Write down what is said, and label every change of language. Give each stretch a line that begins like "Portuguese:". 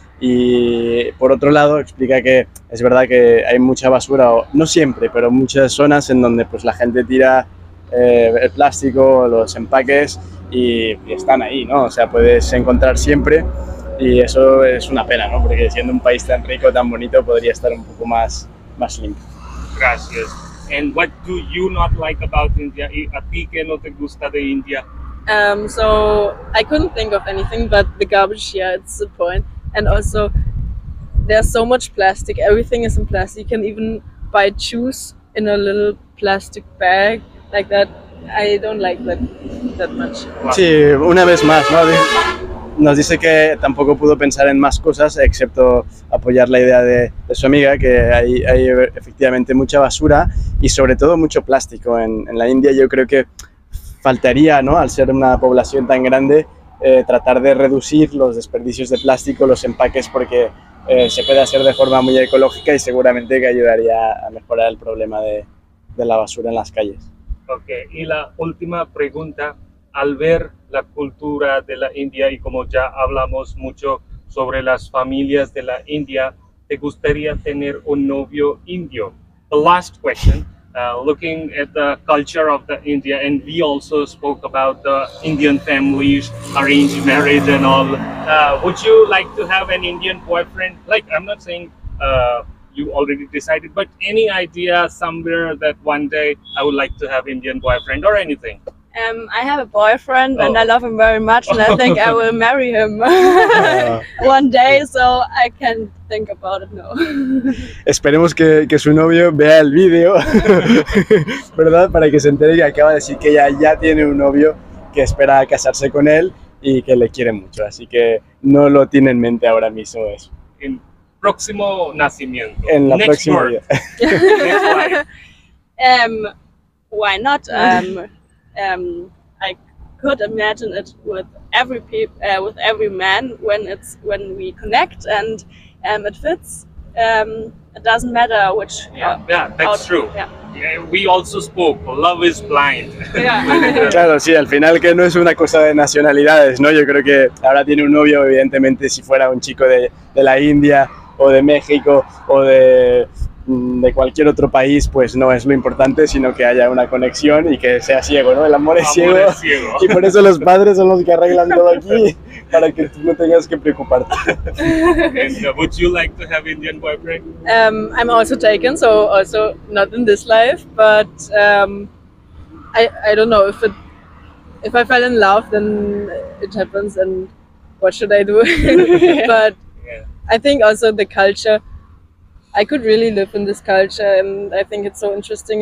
Spanish: Y por otro lado explica que es verdad que hay mucha basura, o no siempre, pero muchas zonas en donde pues la gente tira el plástico, los empaques y están ahí, ¿no? O sea, puedes encontrar siempre y eso es una pena, ¿no? Porque siendo un país tan rico, tan bonito, podría estar un poco más limpio. Gracias.
English: And what do you not like about India?
Spanish: ¿A ti qué no te gusta de India?
English: So I couldn't think of anything but the garbage here, yeah, it's the point. And also, there's so much plastic, everything is in plastic. You can even buy juice in a little plastic bag like that. I don't like that much.
Spanish: Sí, una vez más, ¿no? Nos dice que tampoco pudo pensar en más cosas, excepto apoyar la idea de su amiga, que hay efectivamente mucha basura y sobre todo mucho plástico. En la India yo creo que faltaría, ¿no? Al ser una población tan grande, tratar de reducir los desperdicios de plástico, los empaques, porque se puede hacer de forma muy ecológica y seguramente que ayudaría a mejorar el problema de la basura en las calles. Ok, y la última pregunta, al ver la cultura de la India y como ya hablamos mucho sobre las familias de la India, ¿te gustaría tener un novio indio?
English: The last question, looking at the culture of the India, and we also spoke about the Indian families, arranged marriage and all. Would you like to have an Indian boyfriend? Like, I'm not saying you already decided, but any idea somewhere that one day I would like to have Indian boyfriend or anything? I have a boyfriend and I love him very much and I think I will marry him one day, so I can't think about it now.
Spanish: Esperemos que su novio vea el vídeo, ¿verdad? Para que se entere que acaba de decir que ella ya tiene un novio que espera casarse con él y que le quiere mucho, así que no lo tiene en mente ahora mismo eso. En próximo nacimiento. En la próxima vida.
English: Why not? I could imagine it with every with every man when we connect and it fits. It doesn't matter which. True. Yeah, we also spoke. Love is blind.
Spanish: Yeah. Claro, sí. Al final que no es una cosa de nacionalidades, ¿no? Yo creo que ahora tiene un novio. Evidentemente, si fuera un chico de la India o de México o de cualquier otro país, pues no es lo importante, sino que haya una conexión y que sea ciego, ¿no? El amor es ciego. Amor es ciego. Y por eso los padres son los que arreglan todo aquí, para que tú no tengas que preocuparte.
English: Would you like to have Indian boyfriend? I'm also taken, so also not in this life, but I don't know, if I fell in love, then it happens and what should I do? But yeah. I think also the culture, I could really live in this culture and I think it's so interesting.